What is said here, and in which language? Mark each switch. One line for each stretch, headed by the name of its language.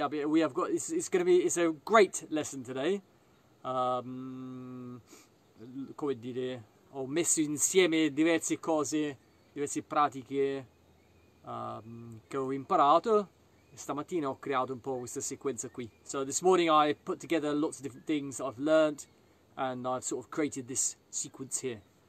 English: We have got, it's gonna be, it's a great lesson today.
Italian: Come dire, ho messo insieme diverse cose, diverse pratiche che ho imparato. Stamattina ho creato un po' questa sequenza qui.
English: So this morning I put together lots of different things I've learned. And I've sort of created this sequence here.